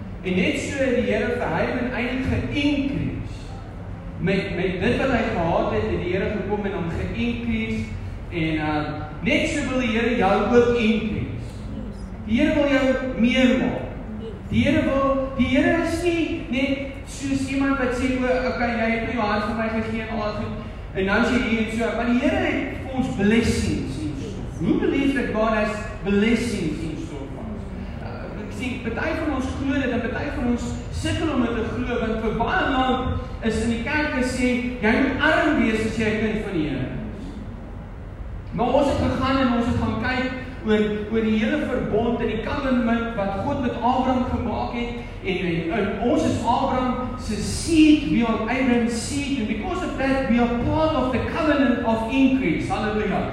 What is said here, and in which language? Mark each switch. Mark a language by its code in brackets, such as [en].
[af] En net so die Here vir hy en eindig ge-increase. Met dit wat hy gehad het, het die Here gekom en hom ge-increase. En net so wil die Here jou ook increase. Die Here wil jou meer maak. Die Here is nie net soos iemand wat sê, okay, jy het jou hart vir my gegee en al goed. En nou sê die Here so, maar die Here het vir ons blessings. [en] Who believes that God has blessings in store for us? [af] Ek sien, party van ons glo dit, en party van ons sukkel om dit te glo, want vir baie lank is in die kerk gesê, jy moet arm wees as jy kind van die Here is. Maar ons het gegaan en ons het gaan kyk oor die hele verbond en die covenant wat God met Abraham gemaak het, en ons is Abraham se seed, [en] we are Abraham's seed, and because of that, we are part of the covenant of increase. [af] Halleluja.